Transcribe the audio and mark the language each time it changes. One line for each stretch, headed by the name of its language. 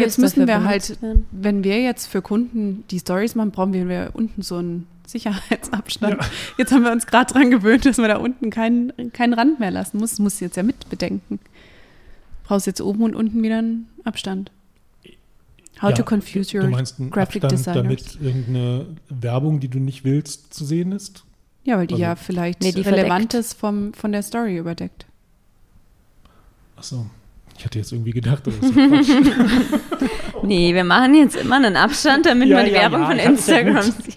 German: jetzt müssen wir halt, wenn wir jetzt für Kunden die Storys machen, brauchen wir unten so einen Sicherheitsabstand. Ja. Jetzt haben wir uns gerade dran gewöhnt, dass man da unten keinen Rand mehr lassen muss. Das muss jetzt ja mit bedenken. Brauchst jetzt oben und unten wieder einen Abstand.
English: How to confuse your graphic designers.
German: Du meinst einen Abstand, damit irgendeine Werbung, die du nicht willst, zu sehen ist? Ja, weil die also, ja vielleicht die Relevantes von der Story überdeckt. Ach so. Ich hatte jetzt irgendwie gedacht, das ist Quatsch. Nee, wir machen jetzt immer einen Abstand, damit man die Werbung von Instagram sieht.